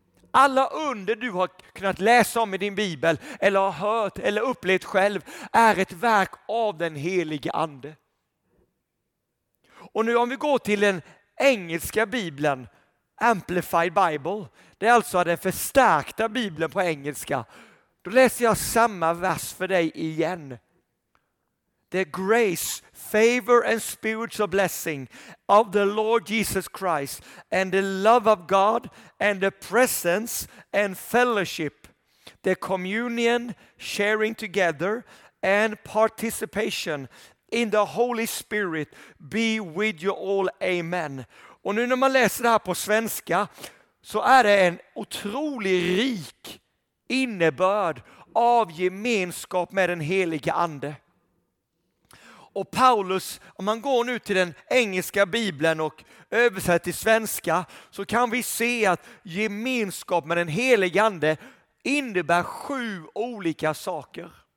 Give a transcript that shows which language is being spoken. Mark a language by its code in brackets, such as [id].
[sv] Alla under du har kunnat läsa om i din bibel eller har hört eller upplevt själv är ett verk av den helige ande. Och nu om vi går till den engelska bibeln, Amplified Bible. Det är alltså den förstärkta bibeln på engelska. Då läser jag samma vers för dig igen. [en] The grace, favor and spiritual blessing of the Lord Jesus Christ and the love of God and the presence and fellowship, the communion, sharing together and participation in the Holy Spirit be with you all. [sv] Amen. Och nu när man läser det här på svenska så är det en otrolig rik innebörd av gemenskap med den helige ande. Och Paulus, om man går nu till den engelska bibeln och översätter till svenska, så kan vi se att gemenskap med den helige ande innebär sju olika saker.